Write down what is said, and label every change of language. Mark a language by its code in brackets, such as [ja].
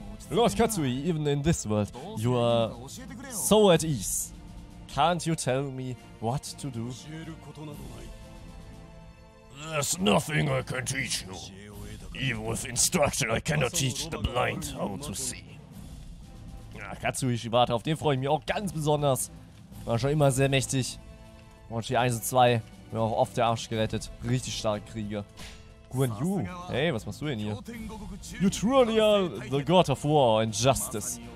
[en] Lord Katsui, even in this world, you are so at ease. Can't you tell me what to do? There's nothing I can teach you. Even with instruction, I cannot teach the blind how to see. [de] Ja, Katsui Shibata, auf den freue ich mich auch ganz besonders. War schon immer sehr mächtig. Orochi 1 und 2, mir auch oft der Arsch gerettet. Richtig starke Krieger. Guan Yu, hey, was machst du denn hier? [en] You truly are the god of war and justice.